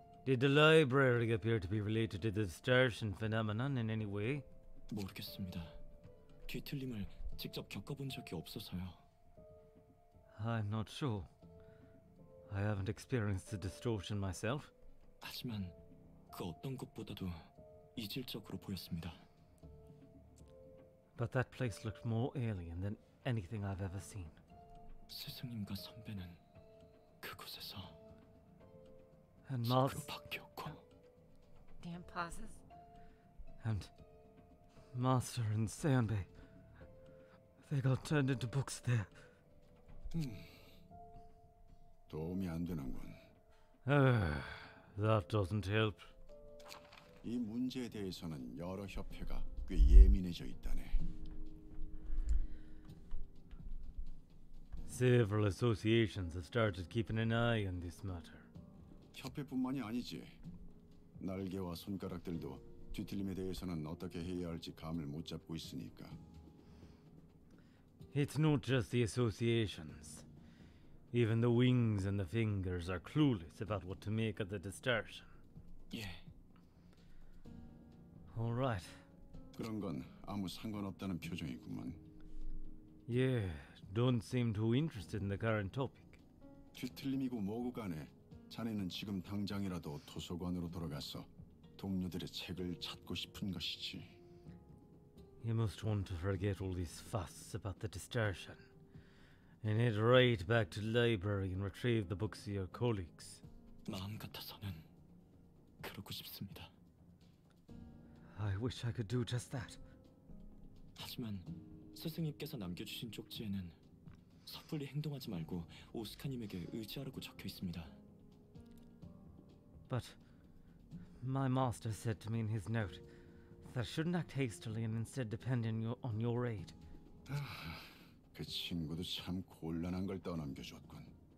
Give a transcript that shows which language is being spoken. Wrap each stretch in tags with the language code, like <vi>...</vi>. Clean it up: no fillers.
<en>Did the library appear to be related to the distortion phenomenon in any way?</en> <ko>모르겠습니다. 귀틀림을 직접 겪어본 적이 없어서요.</ko> <en>I'm not sure. I haven't experienced the distortion myself.</en> <ko>하지만 그 어떤 것보다도 이질적으로 보였습니다.</ko> <en>But that place looked more alien than anything I've ever seen.</en> <ko>스승님과 선배는 그곳에서</ko> <en>And Mars. Damn pauses. And Master and Senbei. They got turned into books there.</en> <ko>도움이 안 되는군.</ko> <en>That doesn't help.</en> <ko>이 문제에 대해서는 여러 협회가 꽤 예민해져 있다네.</ko> <en>Several associations have started keeping an eye on this matter.</en> <ko>협회뿐만이 아니지. 날개와 손가락들도 뒤틀림에 대해서는 어떻게 해야 할지 감을 못 잡고 있으니까.</ko> <en>It's not just the associations. Even the wings and the fingers are clueless about what to make of the distortion. Yeah. All right.</en> <ko>그런 건 아무 상관없다는 표정이구만.</ko> <en>Yeah, don't seem too interested in the current topic.</en> <ko>뒤틀림이고 뭐고 간에 자네는 지금 당장이라도 도서관으로 돌아가서 동료들의 책을 찾고 싶은 것이지.</ko> <en>You must want to forget all this fuss about the distortion. And head right back to the library and retrieve the books of your colleagues.</en> <ko>마음 같아서는 그러고 싶습니다.</ko> <en>I wish I could do just that.</en> <ko>하지만 스승님께서 남겨주신 쪽지에는 섣불리 행동하지 말고 오스카님에게 의지하라고 적혀 있습니다.</ko> <en>But my master said to me in his note that I shouldn't act hastily and instead depend on your aid.</en> <ko>그 친구도 참 곤란한 걸 떠넘겨줬군.</ko>